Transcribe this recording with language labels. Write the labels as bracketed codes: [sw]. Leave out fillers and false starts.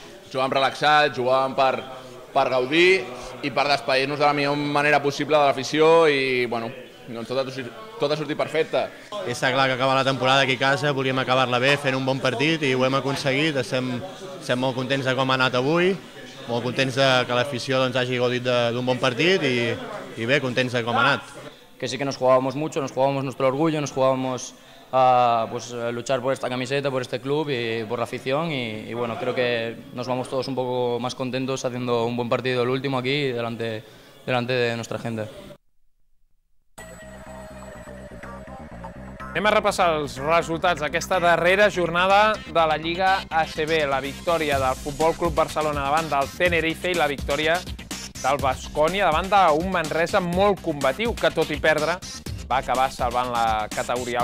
[ca] Jugàvem relaxats, jugàvem per gaudir i per despedir-nos de la millor manera possible de l'afició, i bueno, doncs tot ha sortit perfecte. Està clar que acaba la temporada aquí a casa, volíem acabar-la bé fent un bon partit i ho hem aconseguit. Estem molt contents de com ha anat avui, molt contents de que l'afició doncs hagi gaudit d'un bon partit i bé, contents de com ha anat. [es] Que sí que nos jugábamos mucho, nos jugábamos nuestro orgullo, nos jugábamos pues luchar por esta camiseta, por este club y por la afición, y bueno, creo que nos vamos todos un poco más contentos haciendo un buen partido, el último aquí delante de nuestra gente. [ca] Anem a repassar els resultats d'aquesta darrera jornada de la Lliga ACB. La victòria del Futbol Club Barcelona davant del Tenerife i la victòria del Baskonia davant d'un Manresa molt combatiu, que tot i perdre va acabar salvant la categoria.